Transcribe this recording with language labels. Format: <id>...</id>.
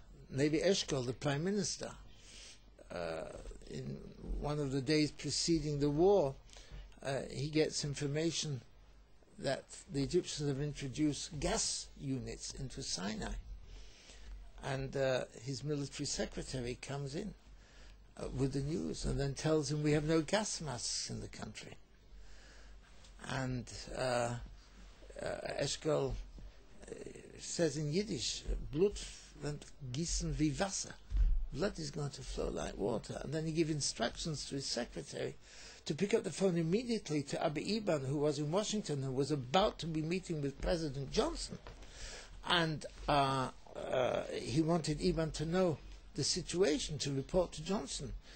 <en>Levi Eshkol, the Prime Minister, in one of the days preceding the war, he gets information that the Egyptians have introduced gas units into Sinai. And his military secretary comes in with the news and then tells him we have no gas masks in the country. And Eshkol says in Yiddish,</en> <yi>Blut wird gießen wie Wasser.</yi> <en>Blood is going to flow like water. And then he gives instructions to his secretary to pick up the phone immediately to Abi Iban, who was in Washington and was about to be meeting with President Johnson. And he wanted Iban to know the situation, to report to Johnson.</en>